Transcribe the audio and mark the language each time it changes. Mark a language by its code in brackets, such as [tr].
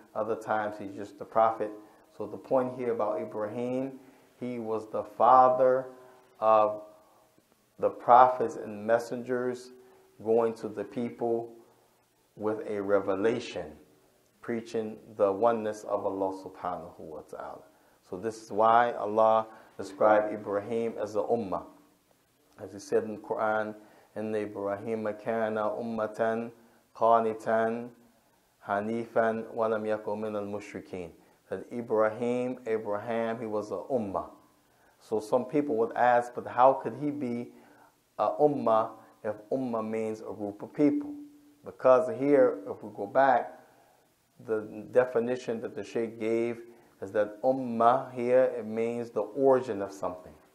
[en] Other times he's just a prophet. So the point here about Ibrahim, he was the father of the prophets and messengers going to the people with a revelation, preaching the oneness of Allah subhanahu wa ta'ala. So this is why Allah described Ibrahim as the ummah. As he said in the Quran, [ar] إِنَّ إِبْرَهِيمَ كَانَ أُمَّةً قَانِتًا حَنِيفًا وَلَمْ يَكُمْ مِنَ الْمُشْرِكِينَ. [en] That Abraham, he was an ummah. So some people would ask, but how could he be a ummah if ummah means a group of people? Because here, if we go back, the definition that the Sheikh gave is that ummah here, it means the origin of something.